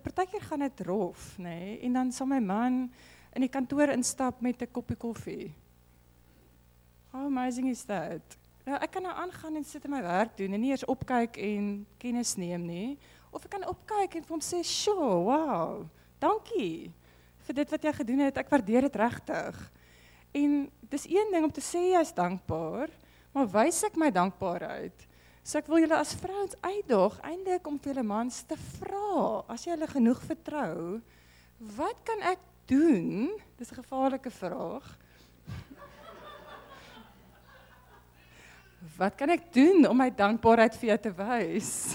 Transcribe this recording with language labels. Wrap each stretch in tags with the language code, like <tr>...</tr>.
<af>So partykeer gaan dit rof, nee, en dan sal my man in die kantoor instap met 'n koppie koffie.</af> <en>How amazing is that?</en> <af>Nou, ek kan nou aangaan en sit in my werk doen en nie eers opkyk en kennis neem nie. Of ek kan opkyk en vir hom sê, "Sure, wow. Dankie vir dit wat jy gedoen het, ek waardeer dit regtig." En dis een ding om te sê jy's dankbaar, maar wys ek my dankbaarheid. So ek wil julle as vrouens uitdaag eindelik om vir julle mans te vra, as jy hulle genoeg vertrou, wat kan ek doen? Dis 'n gevaarlike vraag. Wat kan ek doen om my dankbaarheid vir jou te wys?</af>